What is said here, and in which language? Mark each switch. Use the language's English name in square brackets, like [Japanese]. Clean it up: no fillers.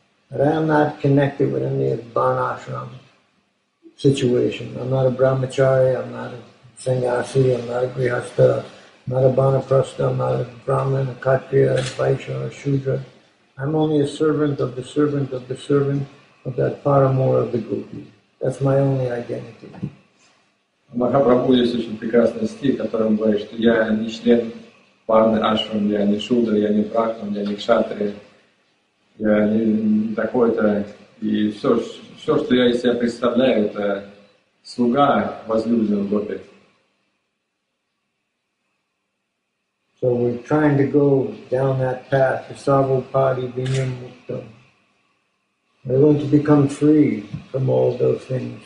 [English] But I am not connected with any of banashram situation. I'm not a brahmachari, I'm not a sannyasi, I'm not a grihastha, I'm not a banaprastha, I'm not a brahman, a kshatriya, a baisha, a shudra. I'm only a servant of the servant of the servant, of that paramour of the gopi. That's my only identity. [Russian] Махапрабху есть очень прекрасный стих, которым говорит, что я не член парны ашрам, я не шудра, я не брахман, я не кшатри, я не такой-то. И все, что я из себя представляю, это слуга возлюбленного гопи. [English] So we're trying to go down that path, Sarvapadi Vinyam Mukta. We want to become free from all those things.